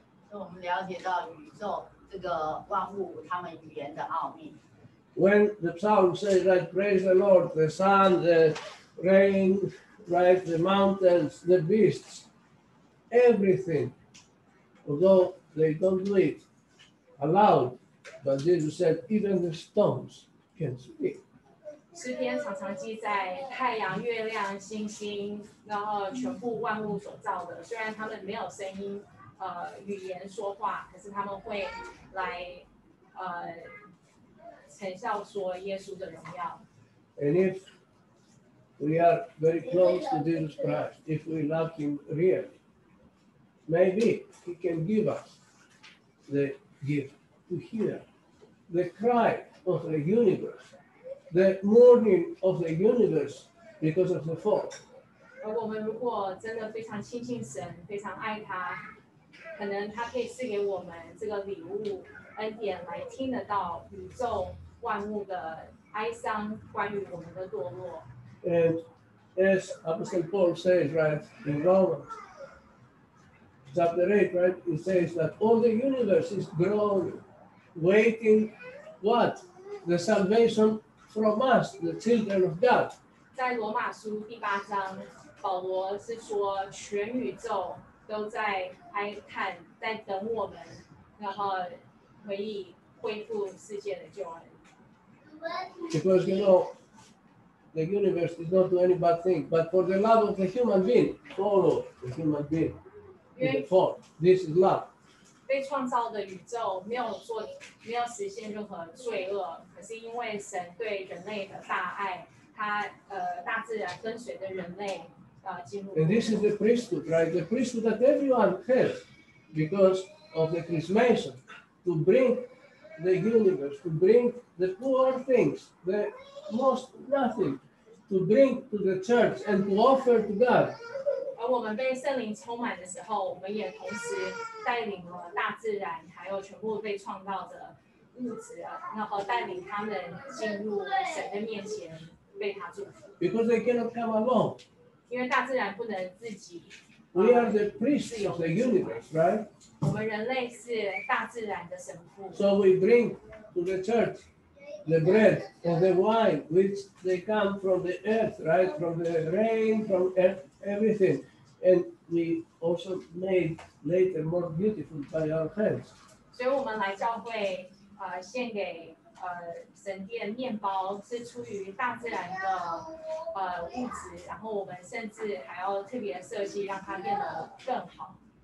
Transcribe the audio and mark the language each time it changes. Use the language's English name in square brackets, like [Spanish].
[Chinese] 我们了解到宇宙这个万物他们语言的奥秘。 [English] when the psalm says that, like, praise the Lord, the sun, the rain, right, the mountains, the beasts, everything, although they don't do it aloud, but Jesus said, even the stones can speak. [Chinese] 诗篇常常记载太阳、月亮、星星，然后全部万物所造的，虽然他们没有声音，语言说话，可是他们会来，呈效说耶稣的荣耀。 [English] And if we are very close to Jesus Christ, if we love Him really, maybe He can give us the gift to hear the cry of the universe. The mourning of the universe because of the fall. [Chinese] 而我们如果真的非常亲近神，非常爱他，可能他可以赐给我们这个礼物恩典，来听得到宇宙万物的哀伤，关于我们的堕落。 [English] And as Apostle Paul says, right, in Romans chapter 8, right, he says that all the universe is groaning, waiting, what, the salvation. From us, the children of God. [Chinese] 在罗马书第八章，保罗是说，全宇宙都在哀叹，在等我们，然后可以恢复世界的救恩。 [English] Because you know, the universe does not do any bad thing, but for the love of the human being, follow the human being. Therefore, this is love. [Chinese] 被创造的宇宙没有做，没有实现任何罪恶，可是因为神对人类的大爱，他大自然跟随着人类进入。 [English] And this is the priesthood, right? The priesthood that everyone has because of the chrismation to bring the universe, to bring the poor things, the most nothing, to bring to the church and to offer to God. [Chinese] 而我们被圣灵充满的时候，我们也同时带领了大自然，还有全部被创造的物质，然后带领他们进入神的面前，被他祝福。 [English] Because they cannot come alone. [Chinese] 因为大自然不能自己。 [English] We are the priests of the universe, right? [Chinese] 我们人类是大自然的神父。 [English] So we bring to the church the bread and the wine, which they come from the earth, right? From the rain, from earth. Everything, and we also made later more beautiful by our hands. So we come to church, offer [Chinese] 神殿面包是出于大自然的物质，然后我们甚至还要特别设计让它变得更好。